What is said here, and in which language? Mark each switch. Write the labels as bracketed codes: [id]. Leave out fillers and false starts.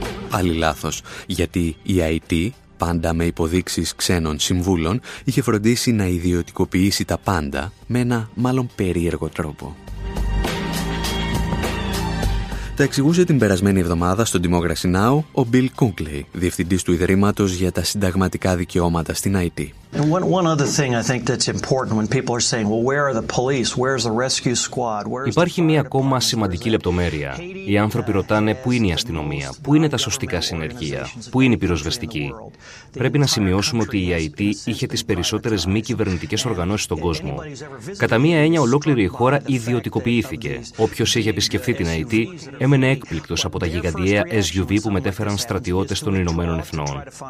[el] Πάλι λάθος, γιατί η IT, πάντα με υποδείξεις ξένων συμβούλων, είχε φροντίσει να ιδιωτικοποιήσει τα πάντα με ένα μάλλον περίεργο τρόπο. Τα εξηγούσε την περασμένη εβδομάδα στο Democracy Now ο Bill Kunkley, διευθυντής του Ιδρύματος για τα Συνταγματικά Δικαιώματα στην IT. [en] And one other thing I think that's important when people are saying, well, where are the police? Where's the rescue squad? [el] Υπάρχει μια ακόμα σημαντική λεπτομέρεια. Οι άνθρωποι ρωτάνε πού είναι η αστυνομία, πού είναι τα σωστικά συνεργεία, πού είναι η πυροσβεστική. Πρέπει να σημειώσουμε ότι η Αϊτή είχε τις περισσότερες μη κυβερνητικές οργανώσεις στον κόσμο. Κατά μία έννοια, ολόκληρη η χώρα ιδιωτικοποιήθηκε. Όποιος είχε επισκεφθεί την Αϊτή έμενε έκπληκτος από τα γιγαντιαία SUV που μετέφεραν στρατιώτες των Ηνωμένων Εθνών.